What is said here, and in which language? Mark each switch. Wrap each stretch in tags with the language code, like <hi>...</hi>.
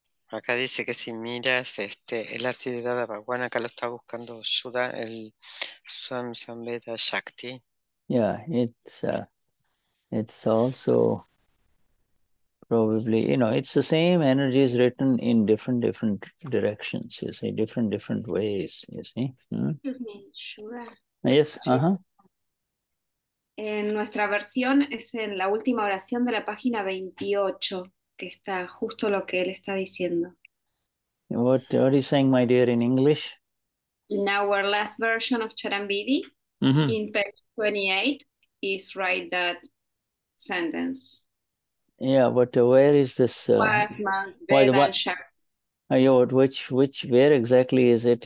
<es>Acá dice que si miras este el arte de Dada Bhagwan, acá lo está buscando Shuddha, el Swam Samveda Shakti.</es> <en>Yeah, it's also probably, you know, it's the same energies written in different directions, you see, different ways, you see. Excuse me, Shuddha. Yes,</en> <es>En nuestra versión es en la última oración de la página 28. Que está justo lo que él está diciendo.</es> <en>What are you saying, my dear, in English? In our last version of Charanvidhi, in page 28, is right that sentence. Yeah, but where is this? Where exactly is it?</en>